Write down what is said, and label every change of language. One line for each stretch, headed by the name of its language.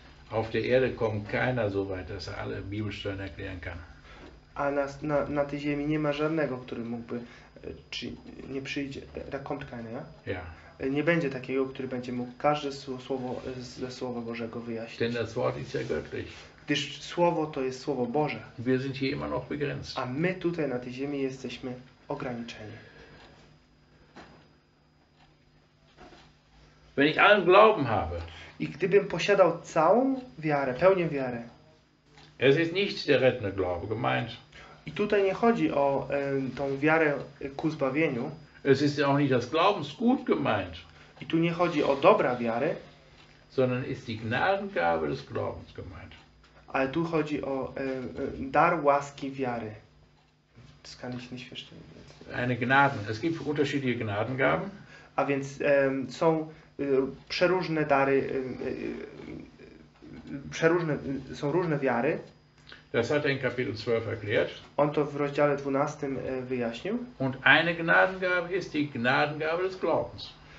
German: Auf der Erde kommt keiner so weit, dass er alle Bibelstellen erklären kann.
Polish: A na tej ziemi nie ma żadnego, który mógłby, czy nie przyjdzie,
German: da kommt keiner, ja? Ja.
Polish: Nie będzie takiego, który będzie mógł każde słowo ze Słowa Bożego wyjaśnić.
German: Denn das Wort ist ja göttlich.
Polish: Gdyż Słowo to jest Słowo Boże.
German: Wir sind hier immer noch begrenzt.
Polish: A my tutaj na tej ziemi jesteśmy ograniczeni.
German: Wenn ich allen Glauben habe.
Polish: I gdybym posiadał całą wiarę, pełnię wiary.
German: Es ist nicht der rettende Glaube gemeint.
Polish: I tutaj nie chodzi o tą wiarę ku zbawieniu.
German: Es ist auch nicht das Glaubensgut gemeint.
Polish: I tu nie chodzi o dobra wiary.
German: Sondern ist die Gnadengabe des Glaubens gemeint.
Polish: Ale tu chodzi o dar łaski wiary.
German: Das kann ich nicht verstehen. Eine Gnaden. Es gibt unterschiedliche Gnadengaben.
Polish: A więc są przeróżne dary, przeróżne są różne wiary.
German: Das hat er in Kapitel 12 erklärt.
Polish: On to w rozdziale 12 wyjaśnił.
German: Und eine Gnadengabe ist die Gnadengabe des Glaubens.